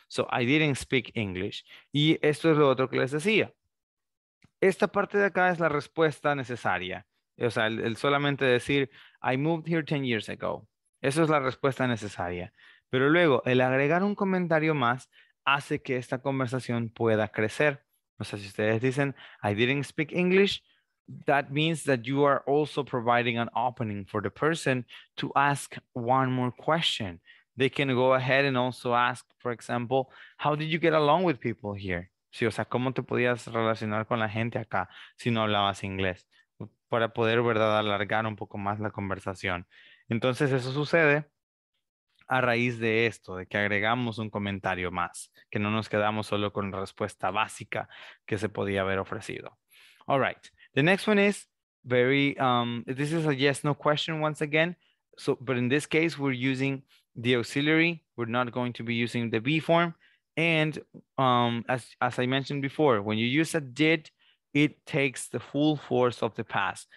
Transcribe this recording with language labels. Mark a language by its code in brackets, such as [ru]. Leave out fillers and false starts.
[en] So, I didn't speak English. [es] Y esto es lo otro que les decía. Esta parte de acá es la respuesta necesaria. O sea, el solamente decir [en] I moved here 10 years ago. [es] Esa es la respuesta necesaria. Pero luego, el agregar un comentario más hace que esta conversación pueda crecer. O sea, si ustedes dicen, [en] I didn't speak English, that means that you are also providing an opening for the person to ask one more question. They can go ahead and also ask, for example, how did you get along with people here? [es] Sí, o sea, ¿cómo te podías relacionar con la gente acá si no hablabas inglés? Para poder, ¿verdad?, alargar un poco más la conversación. Entonces eso sucede a raíz de esto, de que agregamos un comentario más, que no nos quedamos solo con la respuesta básica que se podía haber ofrecido. [en] All right, the next one is very, this is a yes, no question once again. So, but in this case, we're using the auxiliary. We're not going to be using the be form. And as I mentioned before, when you use a did, it takes the full force of the past.